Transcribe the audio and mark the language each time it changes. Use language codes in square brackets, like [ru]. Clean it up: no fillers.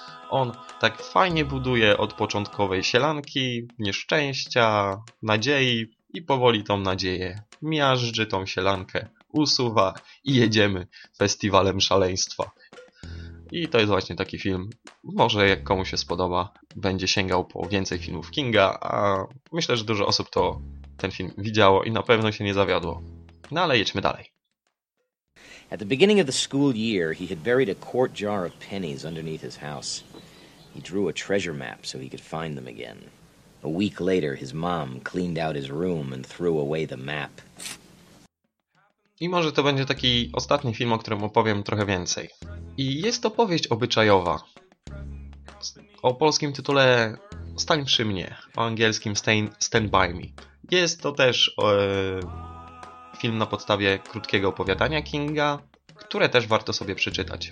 [pl] On tak fajnie buduje od początkowej sielanki, nieszczęścia, nadziei i powoli tą nadzieję miażdży, tą sielankę usuwa i jedziemy festiwalem szaleństwa. I to jest właśnie taki film. Może jak komuś się spodoba, będzie sięgał po więcej filmów Kinga, a myślę, że dużo osób to ten film widziało i na pewno się nie zawiodło. No ale jedźmy dalej. [en] At the beginning of the school year, he had buried a quart jar of pennies underneath his house. He drew a treasure map so he could find them again. A week later, his mom cleaned out his room and threw away the map. [pl] I może to będzie taki ostatni film, o którym opowiem trochę więcej. I jest to powieść obyczajowa. O polskim tytule Stań przy mnie, o angielskim Stand by me. Jest to też film na podstawie krótkiego opowiadania Kinga, które też warto sobie przeczytać.